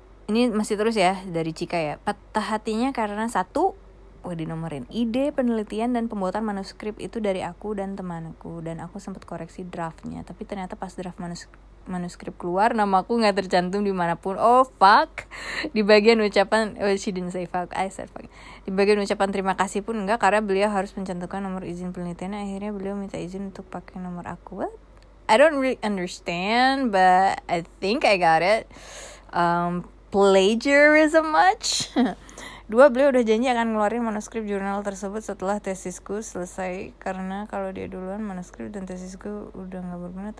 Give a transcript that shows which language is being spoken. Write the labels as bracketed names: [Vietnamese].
[Indonesian] ini masih terus ya dari Cika ya. Patah hatinya karena satu, wah dinomorin, ide penelitian dan pembuatan manuskrip itu dari aku dan temanku, dan aku sempat koreksi draftnya, tapi ternyata pas draft manuskrip keluar, nama aku gak tercantum dimanapun. [English] Oh fuck. [Indonesian] Di bagian ucapan, [English] oh she didn't say fuck, I said fuck. [Indonesian] Di bagian ucapan terima kasih pun enggak, karena beliau harus mencantumkan nomor izin penelitian. Akhirnya beliau minta izin untuk pakai nomor aku. [English] What? I don't really understand, but I think I got it. Plagiarism much? [Indonesian] Dua, beliau udah janji akan ngeluarin manuskrip jurnal tersebut setelah tesisku selesai, karena kalau dia duluan manuskrip dan tesisku udah gak berguna.